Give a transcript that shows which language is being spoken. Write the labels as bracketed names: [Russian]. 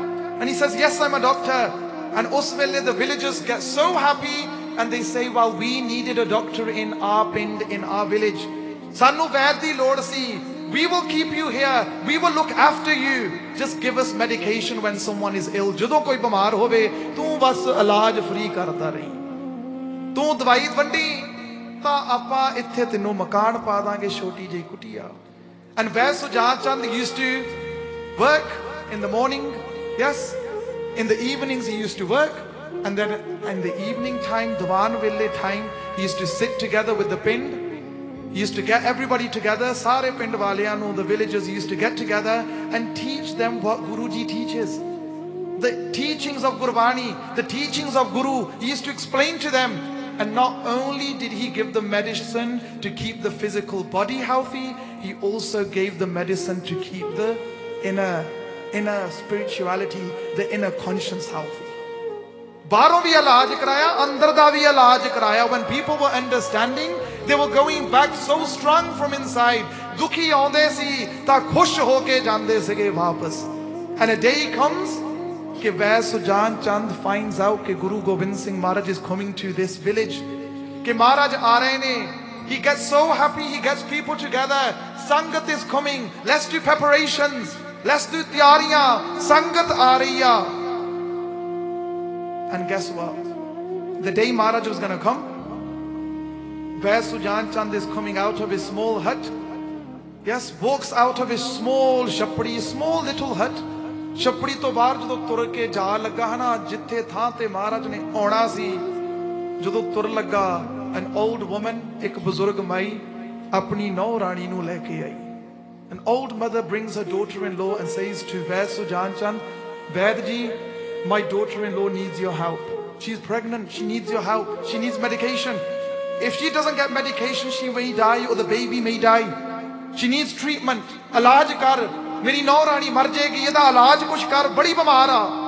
[English] And he says, yes, I'm a doctor. And [Punjabi] us vele [English] the villagers get so happy and they say, well, we needed a doctor in our pind, in our village. [Punjabi] Sanu vaidhi lod si, [English] we will keep you here, we will look after you, just give us medication when someone is ill. [Punjabi] Jadon koi bimar hove tu bas ilaaj free karta rahi. ਤੂੰ ਦਵਾਈ ਵੰਡੀ ਤਾਂ ਆਪਾਂ ਇੱਥੇ ਤੈਨੂੰ ਮਕਾਨ ਪਾ ਦਾਂਗੇ, ਛੋਟੀ ਜਿਹੀ ਕੁਟੀਆ. [English] and ਵੈ Sujan Chand used to work in the morning, yes in the evenings he used to work, and then in the evening time, ਦੀਵਾਨ ਵੇਲੇ time, he used to sit together with the pind, he used to get everybody together, [Punjabi] ਸਾਰੇ ਪਿੰਡ ਵਾਲਿਆਂ ਨੂੰ, [English] The villagers used to get together and teach them what Guru ji teaches. The teachings of Gurbani, the teachings of Guru, he used to explain to them. And not only did he give the medicine to keep the physical body healthy, he also gave the medicine to keep the inner spirituality, the inner conscience healthy. [Punjabi] Baron bhi ilaaj karaya, [English] andar da bhi ilaaj karaya. When people were understanding, they were going back so strong from inside. [Punjabi] Dukhi aunde si ta khush hoke jande sige wapas. [English] And a day comes ke Ved Sujan Chand finds out ke Guru Gobind Singh Maharaj is coming to this village, [Punjabi] ke Maharaj aa rahe ne. [English] He gets so happy, he gets people together. Sangat is coming, let's do preparations, let's do tiyariyan, [Punjabi] sangat aa rahi hai. [English] And guess what, the day Maharaj was going to come, Ved Sujan Chand is coming out of his small hut. Yes, walks out of his small shapri, small little hut. [Punjabi] ਛੱਪੜੀ ਤੋਂ ਬਾਹਰ ਜਦੋਂ ਤੁਰ ਕੇ ਜਾ ਲੱਗਾ ਹਨਾ, ਜਿੱਥੇ ਥਾਂ ਤੇ ਮਹਾਰਾਜ ਨੇ ਆਉਣਾ ਸੀ, ਜਦੋਂ ਤੁਰ ਲੱਗਾ, [English] an old woman, [Punjabi] ਇੱਕ ਬਜ਼ੁਰਗ ਮਾਈ ਆਪਣੀ ਨੌ ਰਾਣੀ ਨੂੰ ਲੈ ਕੇ ਆਈ. [English] an old mother brings her daughter in law and says to Vaid Sujan Chand, Vaid ji, my daughter in law needs your help, she is pregnant, she needs your help, she needs medication, if she doesn't get medication she may die or the baby may die, she needs treatment, [Punjabi] ਇਲਾਜ ਕਰ, ਮੇਰੀ ਨੌ ਰਾਣੀ ਮਰ ਜਾਏਗੀ, ਇਹਦਾ ਇਲਾਜ ਕੁਛ ਕਰ, ਬੜੀ ਬਿਮਾਰ ਆ.